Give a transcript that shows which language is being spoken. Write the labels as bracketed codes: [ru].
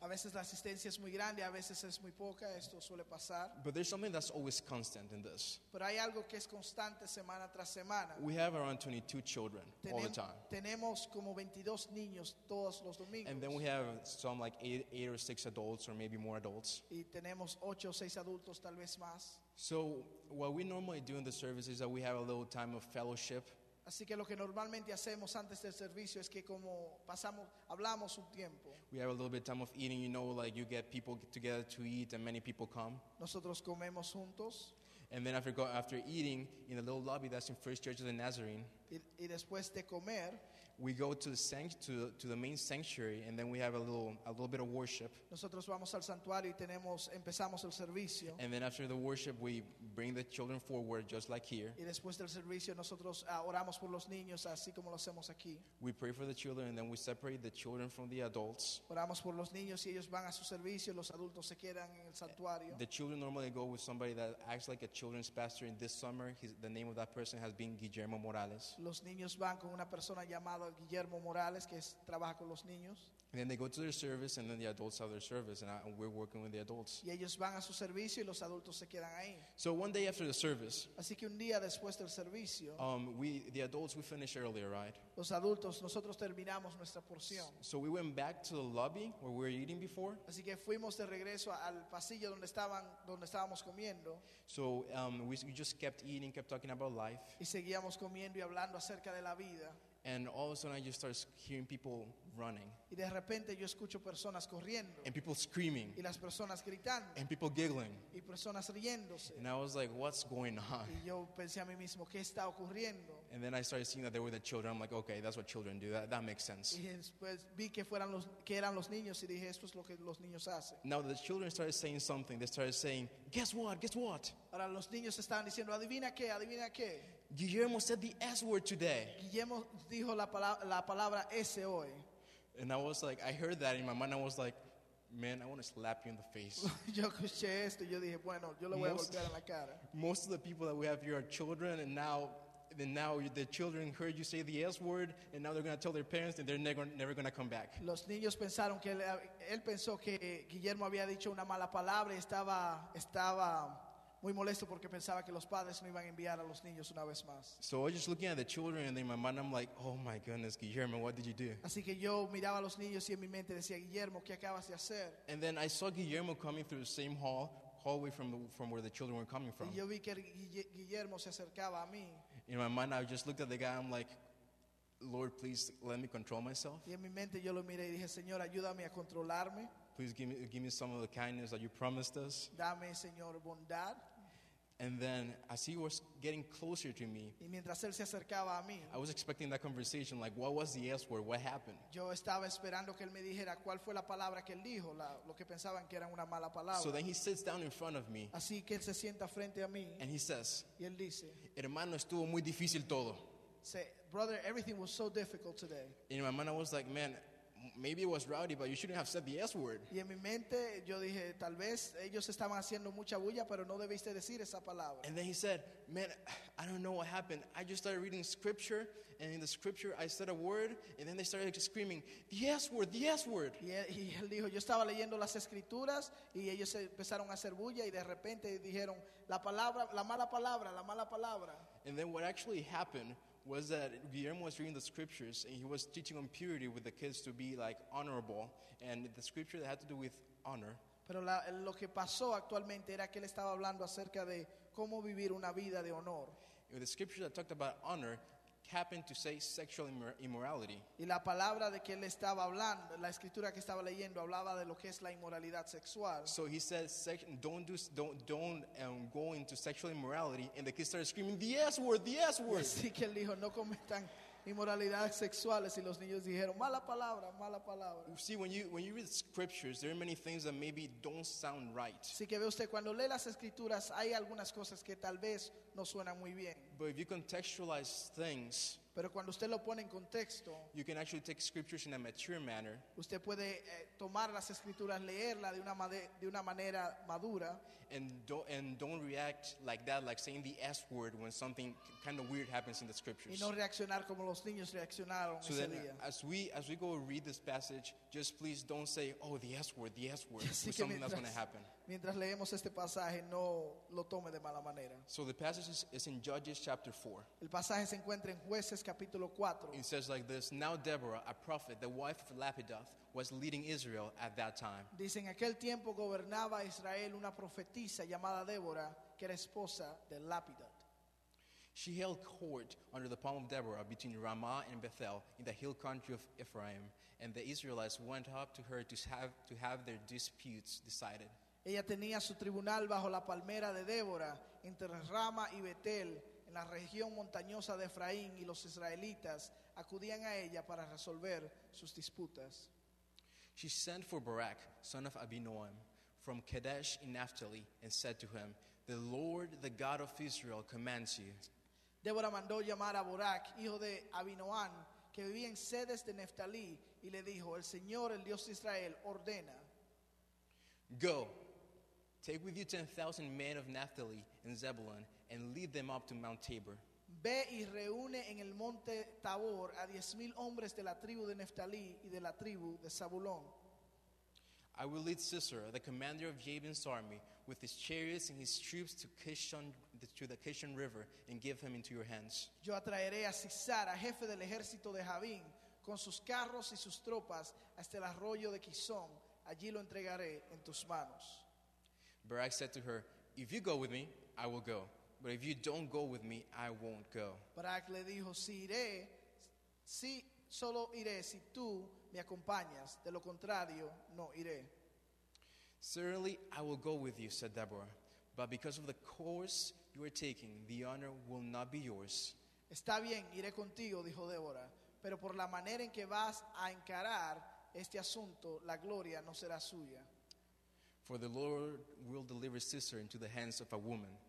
[es] A veces la asistencia es muy grande, a veces es muy poca. Esto suele pasar. [en] But there's something that's always constant in this. [es] Pero hay algo que es constante semana tras semana. [en] We have around 22 children all the time. [es] Tenemos como 22 niños todos los domingos. [en] And then we have some like eight or six adults or maybe more adults. [es] Y tenemos 8 o 6 adultos, tal vez más. [en] So what we normally do in the service is that we have a little time of fellowship. [es] Así que lo que normalmente hacemos antes del servicio es que como pasamos, hablamos un tiempo. [en] We have a little bit of time of eating, you know, like you get people together to eat and many people come. [es] Nosotros comemos juntos. [en] And then after eating in the little lobby that's in First Church of the Nazarene. [es] Y después de comer, [en] we go to the to the main sanctuary and then we have a little bit of worship. [es] Nosotros vamos al santuario y empezamos el servicio. [en] And then after the worship we bring the children forward just like here. [es] Y después del servicio nosotros oramos por los niños así como lo hacemos aquí. [en] We pray for the children and then we separate the children from the adults. [es] Oramos por los niños y ellos van a su servicio, los adultos se quedan en el santuario. [en] The children normally go with somebody that acts like a children's pastor. In this summer the name of that person has been Guillermo Morales. [es] Los niños van con una persona llamada llamado Guillermo Morales, que es, trabaja con los niños. [en] And then they go to their service, and then the adults have their service, and we're working with the adults. [es] Y ellos van a su servicio y los adultos se quedan ahí. [en] So one day after the service, [es] así que un día después del servicio, [en] the adults, we finish earlier, right? [es] Los adultos, nosotros terminamos nuestra porción. [en] So we went back to the lobby where we were eating before. [es] Así que fuimos de regreso al pasillo donde estaban, donde estábamos comiendo. [en] So we just kept eating, kept talking about life. [es] Y seguíamos comiendo y hablando acerca de la vida. [en] And all of a sudden, I just start hearing people running. [es] Y de repente yo escucho personas corriendo. [en] And people screaming. [es] Y las personas gritando. [en] And people giggling. [es] Y personas riéndose. [en] And I was like, "What's going on?" [es] Y yo pensé a mí mismo, ¿qué está ocurriendo? [en] And then I started seeing that they were the children. I'm like, "Okay, that's what children do. That makes sense." [es] Y después vi que fueran los que eran los niños y dije, esto es lo que los niños hacen. [en] Now the children started saying something. They started saying, "Guess what? Guess what?" [es] Ahora los niños estaban diciendo, adivina qué, adivina qué. [en] Guillermo said the S word today. [es] Guillermo dijo la palabra S hoy. [en] And I was like, I heard that in my mind. I was like, man, I want to slap you in the face. [es] Yo escuché esto y yo dije, bueno, yo le voy a golpear en la cara. [en] Most of the people that we have here are children, and now the children heard you say the S word, and now they're going to tell their parents, and they're never going to come back. [es] Los niños pensaron que él pensó que Guillermo había dicho una mala palabra y estaba muy molesto porque pensaba que los padres no iban a enviar a los niños una vez más. [en] So I was just looking at the children, and in my mind I'm like, oh my goodness, Guillermo, what did you do? [es] Así que yo miraba a los niños y en mi mente decía, Guillermo, ¿qué acabas de hacer? [en] And then I saw Guillermo coming through the same hallway from where the children were coming from. [es] Y yo vi que Guillermo se acercaba a mí. [en] In my mind I just looked at the guy, I'm like, Lord, please let me control myself. [es] Y en mi mente yo lo miré y dije, Señor, ayúdame a controlarme. [en] Please give me some of the kindness that you promised us. [es] Dame, Señor, bondad. [en] And then, as he was getting closer to me, [es] y mientras él se acercaba a mí, [en] I was expecting that conversation, like, what was the S word? What happened? [es] Yo estaba esperando que él me dijera cuál fue la palabra que él dijo, lo que pensaban que era una mala palabra. [en] So then he sits down in front of me. [es] Así que él se sienta frente a mí. [en] And he says, [es] y él dice, hermano, estuvo muy difícil todo. [en] Say, brother, everything was so difficult today. In my mind, I was like, man, maybe it was rowdy, but you shouldn't have said the S word. [es] Y en mi mente yo dije, tal vez ellos estaban haciendo mucha bulla, pero no debiste decir esa palabra. [en] And then he said, man, I don't know what happened. I just started reading scripture, and in the scripture I said a word, and then they started just screaming, the S word, the S word. [es] Y él dijo, yo estaba leyendo las escrituras, y ellos empezaron a hacer bulla, y de repente dijeron, la palabra, la mala palabra, la mala palabra. [en] And then what actually happened was that Guillermo was reading the scriptures and he was teaching on purity with the kids to be like honorable, and the scripture that had to do with honor. [es] Pero lo que pasó actualmente era que él estaba hablando acerca de cómo vivir una vida de honor. [en] The scripture that talked about honor happened to say sexual immorality. [es] Y la palabra de que él estaba hablando, la escritura que estaba leyendo hablaba de lo que es la inmoralidad sexual. [en] So he said, don't go into sexual immorality, and the kids started screaming, the S word, the S word. [es] Así que él dijo, no cometan inmoralidades sexuales, y los niños dijeron, mala palabra, mala palabra. [en] See, when you read scriptures, there are many things that maybe don't sound right. [es] Así que ve usted, cuando lee las escrituras, hay algunas cosas que tal vez no suenan muy bien. [en] But if you contextualize things, [es] pero cuando usted lo pone en contexto, [en] you can actually take scriptures in a mature manner. [es] Usted puede tomar las escrituras, leerla de una manera madura. [en] And don't react like that, like saying the S word when something kind of weird happens in the scriptures. [es] Y no reaccionar como los niños reaccionaron [en] so [es] ese [en] then, [es] día. [en] As we go read this passage, just please don't say, oh, the S word, with something [es] mientras, [en] that's going to happen. [es] Mientras leemos este pasaje, no lo tome de mala manera. [en] So the passage is in Judges chapter 4. [es] El pasaje se encuentra en Jueces. [en] It says like this: Now Deborah, a prophet, the wife of Lapidoth, was leading Israel at that time. [es] Dicen aquel tiempo gobernaba Israel una profetisa llamada Débora, que era esposa de Lapidoth. [en] She held court under the palm of Deborah between Ramah and Bethel in the hill country of Ephraim, and the Israelites went up to her to have their disputes decided. [es] Ella tenía su tribunal bajo la palmera de Débora entre Rama y Betel. En la región montañosa de Efraín, y los israelitas acudían a ella para resolver sus disputas. [en] She sent for Barak, son of Abinoam, from Kadesh in Naphtali, and said to him, "The Lord, the God of Israel, commands you." [es] Débora mandó llamar a Barak, hijo de Abinoam, que vivía en Cedes de Neftalí, y le dijo, "El Señor, el Dios de Israel, ordena." [en] Go, take with you 10,000 men of Naphtali and Zebulun, and lead them up to Mount Tabor. [es] Ve y reúne en el monte Tabor a 10,000 hombres de la tribu de Neftalí y de la tribu de Zabulón. [en] I will lead Sisera, the commander of Jabin's army, with his chariots and his troops to Kishon, to the Kishon River, and give him into your hands. [es] Yo atraeré a Sisera, jefe del ejército de Jabin, con sus carros y sus tropas hasta el arroyo de Kishon. Allí lo entregaré en tus manos. [en] Barak said to her, "If you go with me, I will go. But if you don't go with me, I won't go." [es] Barak le dijo, "Si iré, si solo iré si tú me acompañas. De lo contrario, no iré." [en] "Certainly, I will go with you," said Deborah. "But because of the course you are taking, the honor will not be yours." [es] "Está bien, iré contigo," dijo Deborah. "Pero por la manera en que vas a encarar este asunto, la gloria no será suya." [en] "For the Lord will deliver Sisera into the hands of a woman."